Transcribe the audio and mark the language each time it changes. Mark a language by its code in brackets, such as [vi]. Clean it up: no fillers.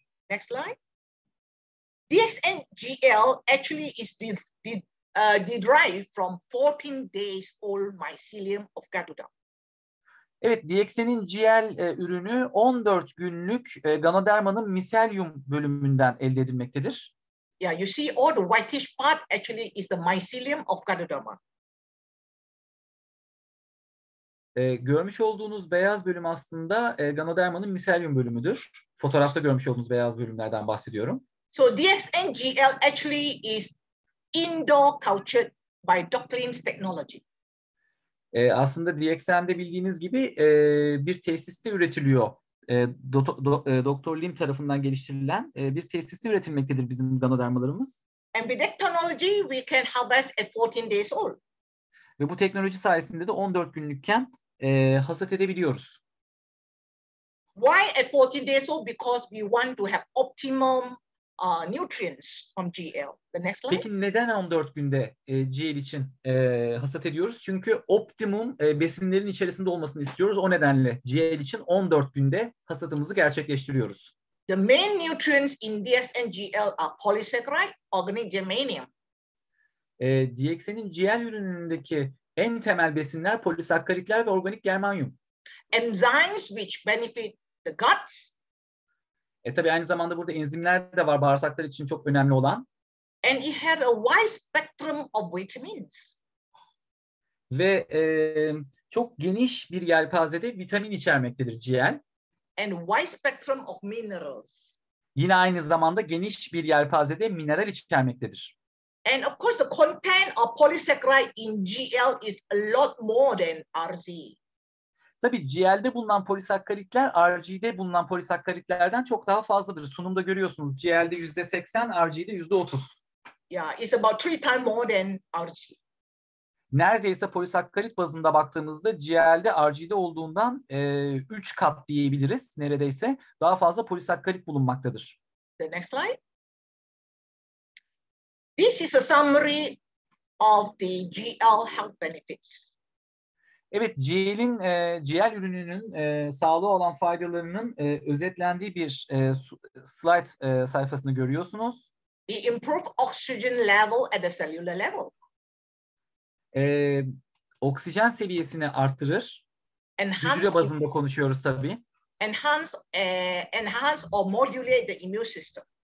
[en] Next slide. DXNGL actually is derived from 14 days old mycelium of Garuda. [tr] Evet, DXN'in GL ürünü 14 günlük Ganoderma'nın miselium bölümünden elde edilmektedir. [en] Yeah, you see all the whitish part actually is the mycelium of Ganoderma. [tr] Görmüş olduğunuz beyaz bölüm aslında Ganoderma'nın miselium bölümüdür. Fotoğrafta görmüş olduğunuz beyaz bölümlerden bahsediyorum. [en] So DXN GL actually is indoor cultured by Dr. Lin's technology. [tr] Aslında DXN'de bildiğiniz gibi bir tesiste üretiliyor. Dr. Lim tarafından geliştirilen bir tesiste üretilmektedir bizim ganodermalarımız. [en] And with that technology we can harvest at 14 days old. [tr] Ve bu teknoloji sayesinde de 14 günlükken hasat edebiliyoruz. [en] Why at 14 days old? Because we want to have optimum nutrients from GL. The next slide. [tr] Peki neden 14 günde GL için hasat ediyoruz? Çünkü optimum besinlerin içerisinde olmasını istiyoruz. O nedenle GL için 14 günde hasatımızı gerçekleştiriyoruz. [en] The main nutrients in DXN GL are polysaccharide, organic germanium. [tr] DXN'in GL ürünündeki en temel besinler polisakkaritler ve organik germanium. [en] Enzymes which benefit the guts. [tr] Tabii aynı zamanda burada enzimler de var, bağırsaklar için çok önemli olan. [en] And it had a wide spectrum of vitamins. [tr] Ve çok geniş bir yelpazede vitamin içermektedir GL. [en] And wide spectrum of minerals. [tr] Yine aynı zamanda geniş bir yelpazede mineral içermektedir. [en] And of course, the content of polysaccharide in GL is a lot more than RZ. [tr] Tabii GL'de bulunan polisakkaritler RG'de bulunan polisakkaritlerden çok daha fazladır. Sunumda görüyorsunuz. GL'de %80, RG'de %30. [en] Yeah, it's about three times more than RG. [tr] Neredeyse polisakkarit bazında baktığımızda GL'de RG'de olduğundan 3 kat diyebiliriz. Neredeyse daha fazla polisakkarit bulunmaktadır. [en] The next slide. This is a summary of the GL health benefits. [tr] Evet, GL'in, GL ürününün sağlığı olan faydalarının özetlendiği bir slide sayfasını görüyorsunuz. [en] It improves oxygen level at the cellular level. [tr] Oksijen seviyesini arttırır. [en] Enhance, [tr] hücre bazında konuşuyoruz tabii. [en] Enhance or modulate the immune system.